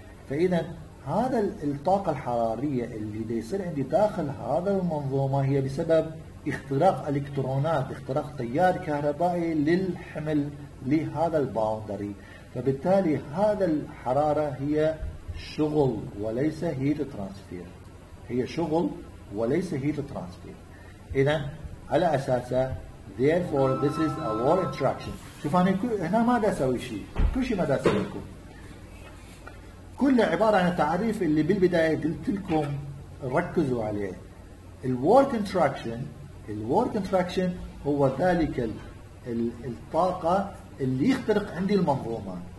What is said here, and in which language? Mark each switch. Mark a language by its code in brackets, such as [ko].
[ar] فإذا هذا الطاقة الحرارية اللي يصير عندي داخل هذا المنظومة هي بسبب اختراق الكترونات، اختراق تيار كهربائي للحمل لهذا الباوندري، فبالتالي هذا الحرارة هي شغل وليس هيت ترانسفير، هي شغل وليس هيت ترانسفير. إذا على أساسه [en] therefore this is a wall interaction. [ar] شوف أنا هنا ما دا أسوي شيء، كل شيء ما دا أسوي لكم، كل عبارة عن التعريف اللي بالبداية قلت لكم ركزوا عليه. الwork interaction، الwork interaction هو ذلك الطاقة اللي يخترق عندي المنظومة.